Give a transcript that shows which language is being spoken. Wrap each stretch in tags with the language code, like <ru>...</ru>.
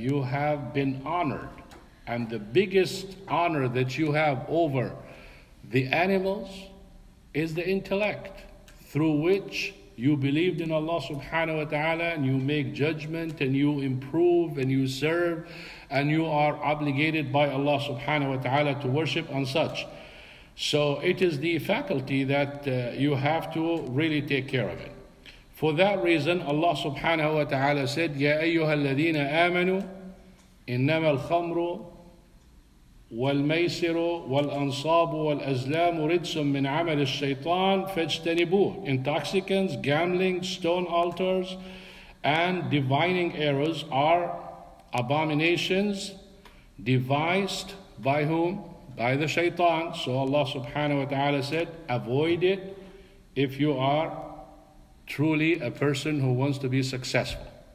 <en>You have been honored. And the biggest honor that you have over the animals is the intellect, through which you believed in Allah subhanahu wa ta'ala and you make judgment and you improve and you serve and you are obligated by Allah subhanahu wa ta'ala to worship and such. So it is the faculty that you have to really take care of it. For that reason, Allah subhanahu wa ta'ala said,</en> <ar>يَا أَيُّهَا الَّذِينَ آمَنُوا إِنَّمَا الْخَمْرُ والميسر والأنصاب والأزلام رجس من عمل الشيطان فاجتنبوه.</ar> <en>Intoxicants, gambling, stone altars, and divining arrows are abominations devised by whom? By the shaitan. So Allah subhanahu wa ta'ala said, avoid it if you are truly a person who wants to be successful.</en>